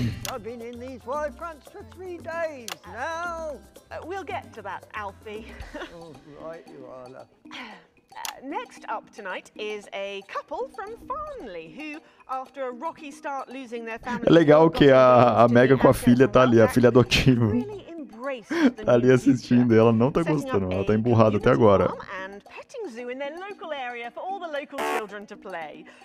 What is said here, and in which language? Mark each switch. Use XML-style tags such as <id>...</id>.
<en>I've been in these wide fronts for 3 days now. We'll get to that, Alfie. Oh, right you are, love. Next up tonight is a couple from Farnley who, after a rocky start losing their family...</en> <pt>É legal que a Megan com a filha tá ali, a filha adotiva. Tá ali assistindo, ela não tá gostando, ela tá emburrada até agora.</pt> <en>...and petting zoo in their local area for all the local children to play.</en>